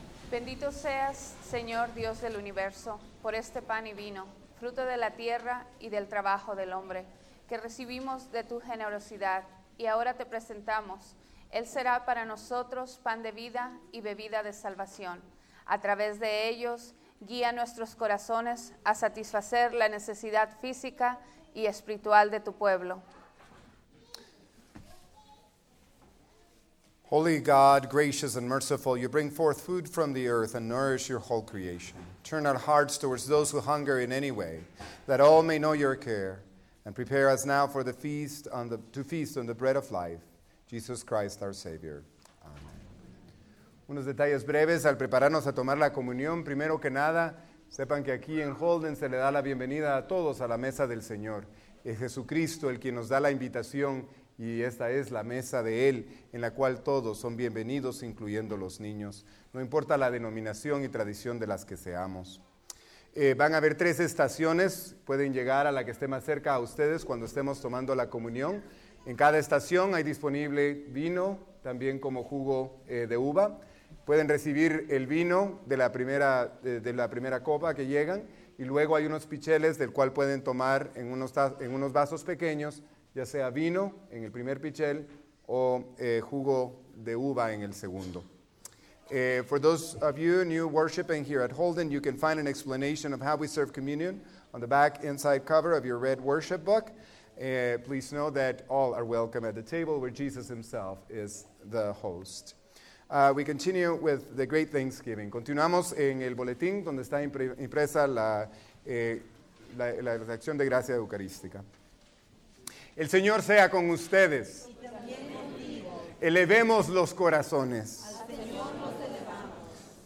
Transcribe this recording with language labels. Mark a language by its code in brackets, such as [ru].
[es] Bendito seas, Señor Dios del universo, por este pan y vino, fruto de la tierra y del trabajo del hombre, que recibimos de tu generosidad y ahora te presentamos. Él será para nosotros pan de vida y bebida de salvación. A través de ellos, guía nuestros corazones a satisfacer la necesidad física y espiritual de tu pueblo. [en] Holy God, gracious and merciful, you bring forth food from the earth and nourish your whole creation. Turn our hearts towards those who hunger in any way, that all may know your care, and prepare us now for the feast on the bread of life, Jesus Christ our Savior. Amen. [es] Unos detalles breves al prepararnos a tomar la comunión. Primero que nada, sepan que aquí en Holden se le da la bienvenida a todos a la mesa del Señor. Es Jesucristo el quien nos da la invitación. Y esta es la mesa de Él, en la cual todos son bienvenidos, incluyendo los niños. No importa la denominación y tradición de las que seamos. Van a haber tres estaciones, pueden llegar a la que esté más cerca a ustedes cuando estemos tomando la comunión. En cada estación hay disponible vino, también como jugo de uva. Pueden recibir el vino de la primera copa que llegan. Y luego hay unos picheles del cual pueden tomar en unos vasos pequeños, ya sea vino en el primer pichel o jugo de uva en el segundo. [en] For those of you new worshiping here at Holden, you can find an explanation of how we serve communion on the back inside cover of your red worship book. Please know that all are welcome at the table where Jesus himself is the host. We continue with the Great Thanksgiving. [es] Continuamos en el boletín donde está impresa la acción de gracia eucarística. El Señor sea con ustedes. Y también contigo. Elevemos los corazones. Al Señor los elevamos.